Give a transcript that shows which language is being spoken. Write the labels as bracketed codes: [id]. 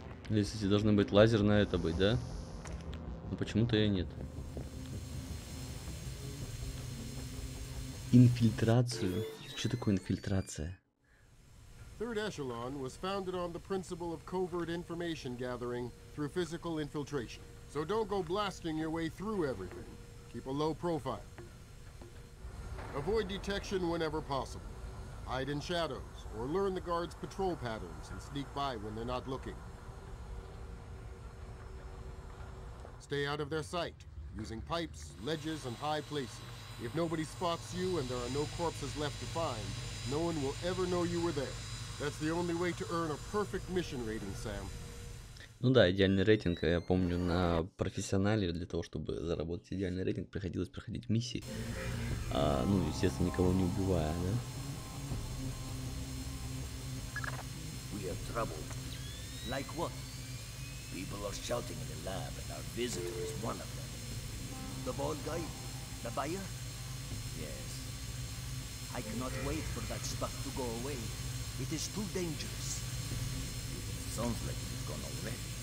[ru] Здесь, кстати, должны быть лазер на это быть, да? Но почему-то ее нет. Инфильтрацию? Что такое инфильтрация? [en] Third echelon was founded on the principle of covert information gathering through physical infiltration. So don't go blasting your way through everything. Keep a low profile. Avoid detection whenever possible. Hide in shadows or learn the guards' patrol patterns and sneak by when they're not looking. Stay out of their sight, using pipes, ledges, and high places. If nobody spots you and there are no corpses left to find, no one will ever know you were there. That's the only way to earn a perfect mission rating, Sam. [ru] Ну да, идеальный рейтинг, я помню, на профессионале для того, чтобы заработать идеальный рейтинг, приходилось проходить миссии. А, ну, естественно, никого не убивая, да? [en] We have trouble. Like what? People are shouting in the lab, and our visitor is one of them. The bald guy? The buyer? Yes. I cannot wait for that stuff to go away. It is too dangerous. It sounds like it's gone already.